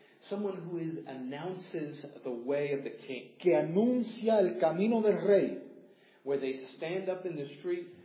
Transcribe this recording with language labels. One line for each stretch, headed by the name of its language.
English: Someone who is announces the way of the king.
Spanish: Que anuncia el camino del rey.
English: Where they stand up in the street.